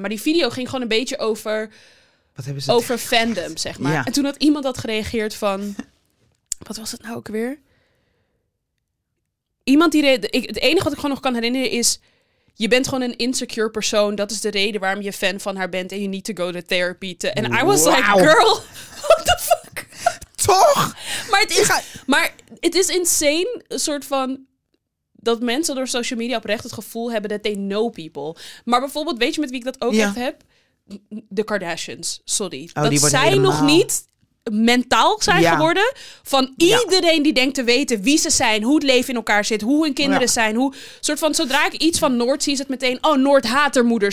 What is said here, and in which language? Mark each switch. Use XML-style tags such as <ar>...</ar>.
<nl>Maar die video ging gewoon een beetje over. Wat hebben ze over fandom, gehad? Zeg maar. Ja. En toen had iemand dat gereageerd van. Wat was het nou ook weer? Iemand die het enige wat ik gewoon nog kan herinneren is, je bent gewoon een insecure persoon. Dat is de reden waarom je fan van haar bent en</nl> <en>you need to go to therapy. En I was like, girl, what the fuck?</en> <nl>Toch? Maar het is insane, een soort van, dat mensen door social media oprecht het gevoel hebben dat</nl> <en>they know people.</en> <nl>Maar bijvoorbeeld, weet je met wie ik dat ook echt heb? De Kardashians, sorry. Oh, dat zij helemaal... nog niet... mentaal zijn geworden van iedereen die denkt te weten wie ze zijn, hoe het leven in elkaar zit, hoe hun kinderen zijn, hoe soort van zodra ik iets van Noord zie, is het meteen oh Noord haat haar moeder.</nl>